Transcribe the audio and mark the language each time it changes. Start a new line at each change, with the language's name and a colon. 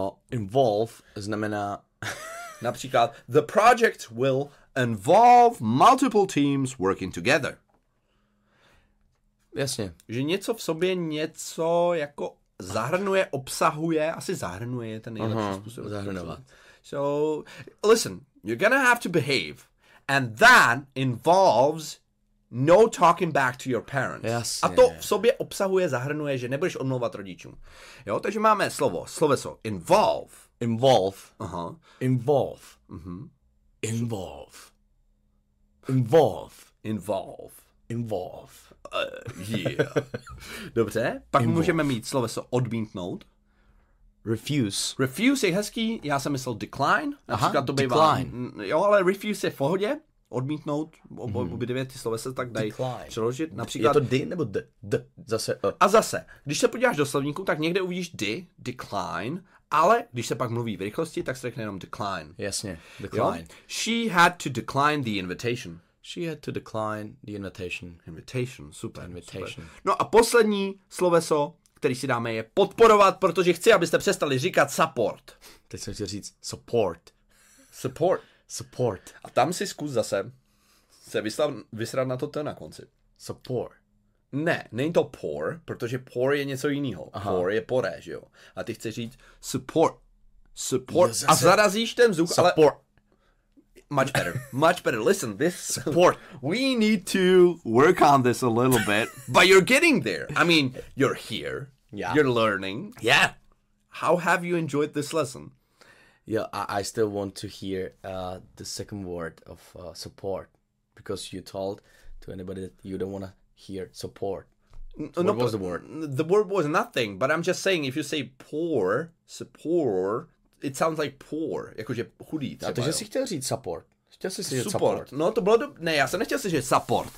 Czech: Involve znamená... Například,
English: the project will involve multiple teams working together.
Czech: Jasně. Že něco v sobě něco jako zahrnuje, obsahuje, asi zahrnuje je ten nejlepší způsob. Zahrnovat.
English: So, listen, you're gonna have to behave. And that involves no talking back to your parents.
Czech: Jasně. A to v sobě obsahuje, zahrnuje, že nebudeš odmlouvat rodičům. Jo, takže máme sloveso. Involve.
English: Involve. Aha. Involve. Mm-hmm. Involve. Involve. Involve. Involve. Yeah.
Czech: Dobře, pak
English: involve.
Czech: Můžeme mít sloveso odmítnout.
English: Refuse.
Czech: Refuse je hezký, já jsem myslel decline.
English: Aha, to decline.
Czech: Jo, ale refuse je v pohodě. Odmítnout, obě dvě ty slovesa tak dají decline. Přeložit. Například, je to di nebo d? D. Zase. A zase, když se podíváš do slovníku, tak někde uvidíš di, decline, ale když se pak mluví v rychlosti, tak se řekne jenom decline. Jasně, decline. Jo?
English: She had to decline the invitation. She had to decline the invitation. Invitation, super. Invitation. Super.
Czech: No a poslední sloveso, který si dáme, je podporovat, protože chci, abyste přestali říkat support. Teď jsem chtěl říct support.
English: Support. Support.
Czech: A tam si zkus zase se vysrat na to ten na konci.
English: Support.
Czech: Ne, není to poor, protože poor je něco jiného. Poor je poré, že jo. A ty chceš říct support. Support. Jo, a zarazíš ten zvuk,
English: support.
Czech: Ale...
English: Support. Much better. Listen, this support. We need to work on this a little bit, but you're getting there. I mean, you're here. Yeah. You're learning. Yeah. How have you enjoyed this lesson? Yeah, I still want to hear the second word of support, because you told to anybody that you don't want to hear support. So no, what was the word? The word was nothing, but I'm just saying, if you say poor, support... It sounds like poor,
Czech: jakože chudý. A to, že jsi chtěl říct support. Chtěl jsi říct support. No to bylo dobře. Ne, já jsem nechtěl říct support.